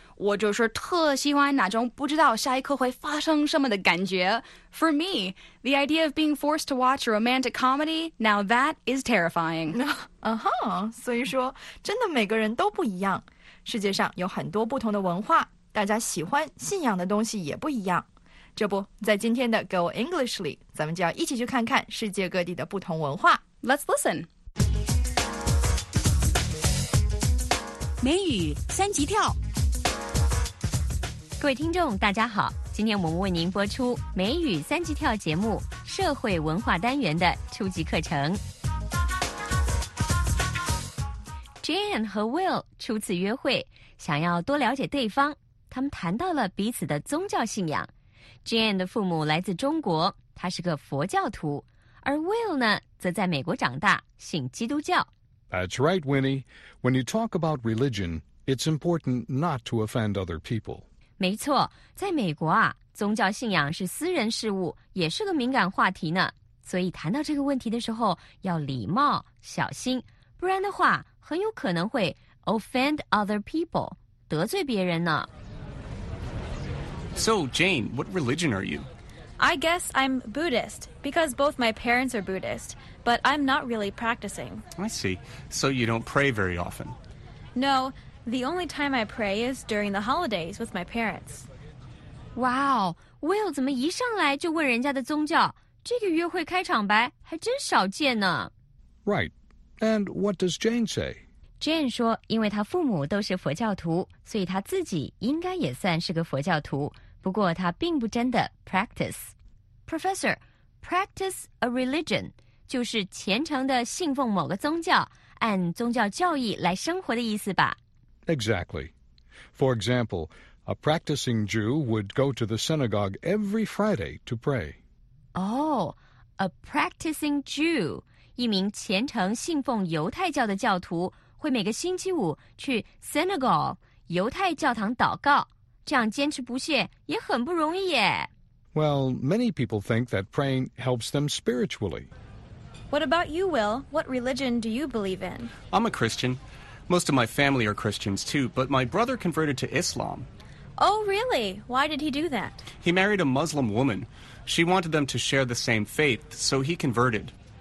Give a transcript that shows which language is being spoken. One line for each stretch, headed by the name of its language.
Chinese: 我就是特喜欢那种不知道下一刻会发生什么的感觉。
English: For me, the idea of being forced to watch a romantic comedy, now that is terrifying.
Chinese: Uh-huh, 所以说真的每个人都不一样。世界上有很多不同的文化，大家喜欢信仰的东西也不一样。这不，在今天的 Go English 里，咱们就要一起去看看世界各地的不同文化。 Let's listen. 美语三级跳。各位听众大家好，今天我们为您播出美语三级跳节目社会文化单元的初级课程。 Jan 和 Will 初次约会，想要多了解对方，他们谈到了彼此的宗教信仰。 Jan 的父母来自中国，他是个佛教徒，而 Will 呢，则在美国长大，信基督教。
English: That's right, Winnie. When you talk about religion, it's important not to offend other people.
Chinese: 没错，在美国啊，宗教信仰是私人事务，也是个敏感话题呢。所以谈到这个问题的时候，要礼貌，小心，不然的话很有可能会
English: offend other people,
Chinese: 得罪别人呢。
English: So, Jane, what religion are you? I guess I'm Buddhist, because both my parents are Buddhist, but I'm not really practicing. I see. So you don't pray very often? No, the only time I pray is during the holidays with my parents.
Chinese: Wow, Will 怎么一上来就问人家的宗教？这个约会开场白还真少见呢。
English: Right. And what does Jane say?
Chinese: Jane 说因为她父母都是佛教徒，所以她自己应该也算是个佛教徒，不过她并不真的 practice. Professor, practice a religion 就是虔诚地信奉某个宗教，按宗教教义来生活的意思吧。
English: Exactly. For example, a practicing Jew would go to the synagogue every Friday to pray. Oh, a practicing Jew...
Chinese: 一名虔诚信奉犹太教的教徒会每个星期五去 synagogue 犹太教堂祷告，这样坚持不懈也很不容易耶。
English: Well, many people think that praying helps them spiritually. What about you, Will? What religion do you believe in? I'm a Christian. Most of my family are Christians too, but my brother converted to Islam. Oh, really? Why did he do that? He married a Muslim woman. She wanted them to share the same faith, so he converted.